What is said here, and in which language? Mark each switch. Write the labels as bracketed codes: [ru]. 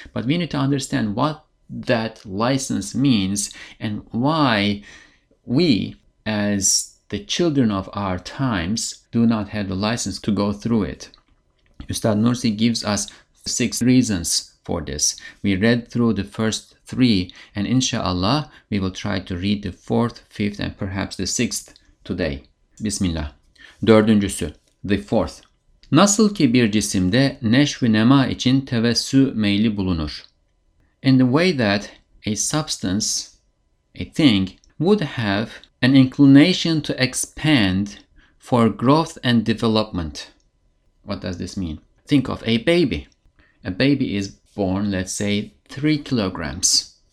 [en] But we need to understand what that license means and why we, as the children of our times, do not have the license to go through it. Ustad Nursi gives us 6 reasons for this. We read through the first 3, and inshallah, we will try to read the 4th, 5th, and perhaps the 6th today. Bismillah. [tr] Dördüncüsü, [en] the 4th. [tr] Nasıl ki bir cisimde neşv-i nema için tevessü meyli bulunur. [en] In the way that a substance, a thing, would have an inclination to expand for growth and development. What does this mean? Think of a baby. A baby is born, let's say, 3 kilograms.